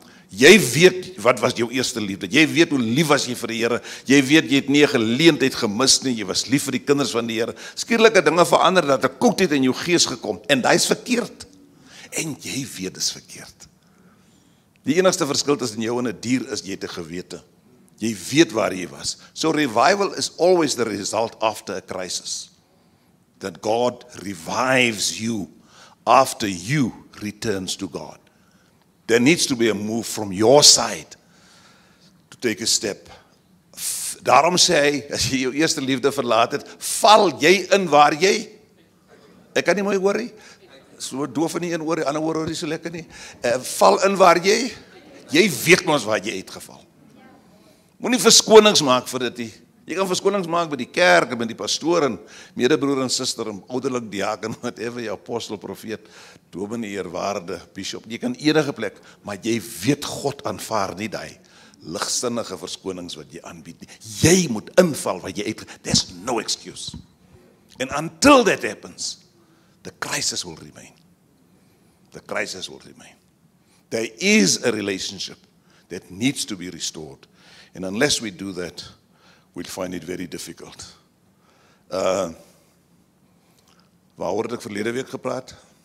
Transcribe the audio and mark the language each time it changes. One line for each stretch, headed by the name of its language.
Afrikaans: Jy weet wat was jou eerste liefde. Jy weet hoe lief was jy vir die Here. Jy weet jy het nie 'n geleentheid gemis nie. Jy was lief vir die kinders van die Here. Skielike dinge verander dat 'n koud het in jou gees gekom. En dit is verkeerd. En jy weet dit is verkeerd. Die enigste verskil tussen jou en 'n dier is jy het 'n gewete. Jy weet waar jy was.
English: So revival is always the result after a crisis. That God revives you after you returns to God. There needs to be a move from your side to take a step.
Afrikaans: Daarom sê hy, as jy jou eerste liefde verlaat het, val jy in waar jy. Ek kan nie mooi hoor nie. So doof in die een oor, die ander oor hoor nie so lekker nie. Val in waar jy. Jy weet mos waar jy uitgeval. Moenie verskonings maak vir dit nie. Jy kan verskonings maak by die kerk, by die pastoor en medebroer en suster en ouderlik diaken, whatever, jou apostel, profeet, dominee, eerwaarde, bishop. Jy kan enige plek, maar jy weet God aanvaar nie daai ligsinnige verskonings wat jy aanbied nie. Jy moet inval wat jy uit.
English: There's no excuse. And until that happens, the crisis will remain. The crisis will remain. There is a relationship that needs to be restored. And unless we do that, we'll find it very difficult.
Afrikaans: Waaroor het ek verlede week gepraat?